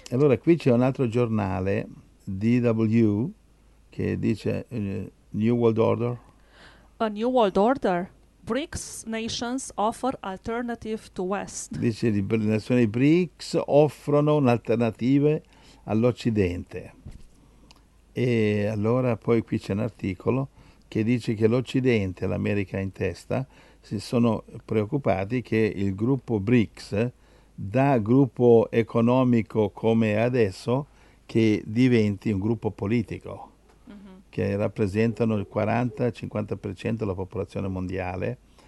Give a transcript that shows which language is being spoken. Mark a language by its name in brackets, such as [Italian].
[Italian] Allora, qui c'è un altro giornale, DW, che dice New World Order. [English] A new world order. BRICS nations offer alternative to West. [Italian] Dice le nazioni BRICS offrono un'alternativa all'Occidente. E allora poi qui c'è un articolo che dice che l'Occidente, l'America in testa, si sono preoccupati che il gruppo BRICS, da gruppo economico come adesso, che diventi un gruppo politico, che rappresentano il 40-50% della popolazione mondiale.